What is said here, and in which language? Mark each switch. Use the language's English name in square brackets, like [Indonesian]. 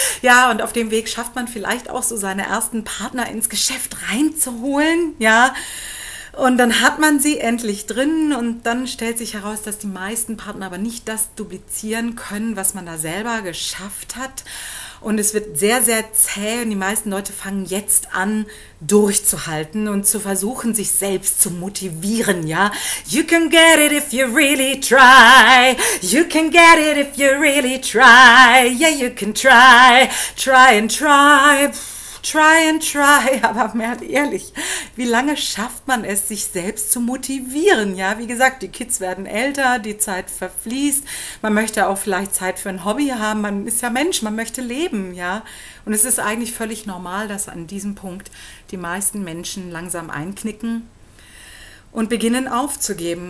[German] Ja, und auf dem Weg schafft man vielleicht auch so seine ersten Partner ins Geschäft reinzuholen, ja, und dann hat man sie endlich drin und dann stellt sich heraus, dass die meisten Partner aber nicht das duplizieren können, was man da selber geschafft hat. Und es wird sehr, sehr zäh und die meisten Leute fangen jetzt an, durchzuhalten und zu versuchen, sich selbst zu motivieren, ja. [English] You can get it if you really try, you can get it if you really try, yeah, you can try, try and try, try and try. [German] Aber mehr ehrlich, wie lange schafft man es, sich selbst zu motivieren, ja. Wie gesagt, die Kids werden älter, die Zeit verfließt, man möchte auch vielleicht Zeit für ein Hobby haben, man ist ja Mensch, man möchte leben, ja. Und es ist eigentlich völlig normal, dass an diesem Punkt die meisten Menschen langsam einknicken und beginnen aufzugeben.